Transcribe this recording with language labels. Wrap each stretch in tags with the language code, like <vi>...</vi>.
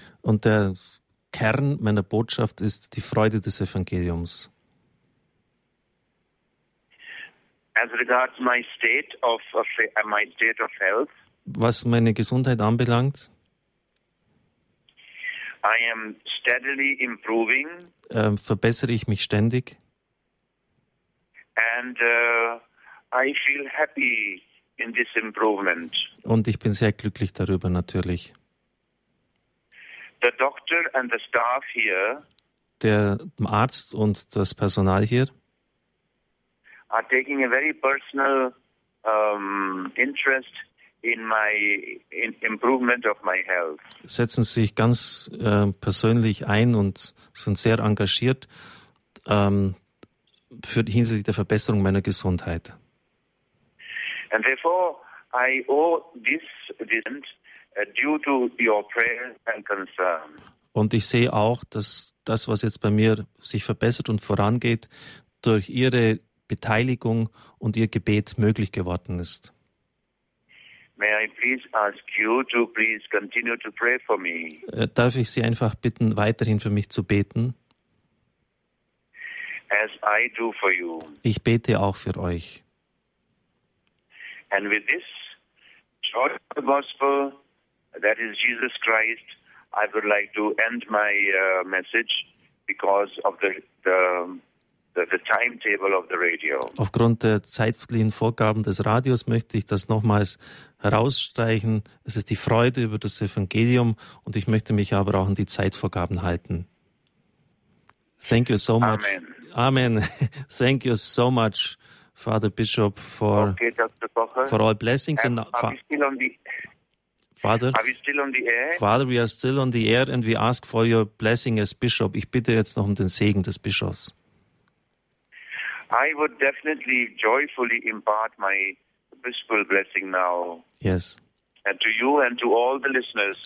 <de>Und der Kern meiner Botschaft ist die Freude des Evangeliums.</de> <en>As regards my state of health,</en> <de>was meine Gesundheit anbelangt,</de> <en>I am steadily improving.</en> <de>Verbessere ich mich ständig.</de> <en>And I feel happy in this improvement.</en> <de>Und ich bin sehr glücklich darüber natürlich.</de> <en>The doctor and the staff here,</en> <de>der Arzt und das Personal hier,</de> <en>are taking a very personal interest in improvement of my health.</en> <de>Setzen sich ganz persönlich ein und sind sehr engagiert hinsichtlich der Verbesserung meiner Gesundheit.</de> <en>And therefore, I owe this event due to your prayers and concern.</en> <de>Und ich sehe auch, dass das, was jetzt bei mir sich verbessert und vorangeht, durch Ihre Beteiligung und Ihr Gebet möglich geworden ist.</de> <en>May I please ask you to please continue to pray for me?</en> <de>Darf ich Sie einfach bitten, weiterhin für mich zu beten?</de> <en>As I do for you.</en> <de>Ich bete auch für euch.</de> <en>And with this joy of the gospel, that is Jesus Christ, I would like to end my message because of the timetable of the radio.</en> <de>Aufgrund der zeitlichen Vorgaben des Radios möchte ich das nochmals herausstreichen. Es ist die Freude über das Evangelium und ich möchte mich aber auch an die Zeitvorgaben halten.</de> <en>Thank you so much. Amen. Thank you so much. Father Bishop, for okay, for all blessings. And are we still on the, Father, are we still on the air? Father, we are still on the air and we ask for your blessing as Bishop.</en> <de>Ich bitte jetzt noch um den Segen des Bischofs.</de> <en>I would definitely joyfully impart my bishopal blessing now. Yes. And to you and to all the listeners.</en>